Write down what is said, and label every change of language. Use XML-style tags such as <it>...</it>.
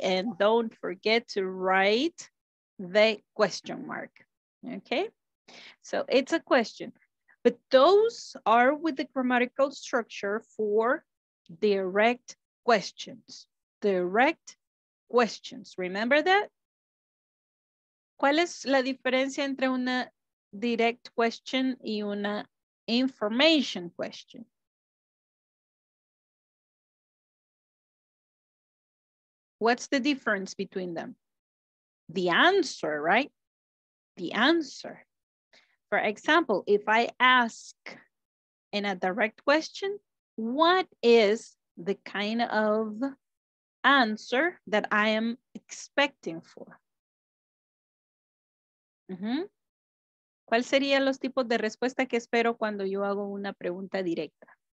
<en>And don't forget to write the question mark. Okay, so it's a question, but those are with the grammatical structure for direct questions. Direct questions, remember that?</en> <es>¿Cuál es la diferencia entre una direct question y una information question?</es> <en>What's the difference between them? The answer, right? The answer. For example, if I ask in a direct question, what is the kind of answer that I am expecting for? Mm-hmm.</en> <es>¿Cuál sería los tipos de respuesta que espero cuando yo hago una pregunta directa?</es>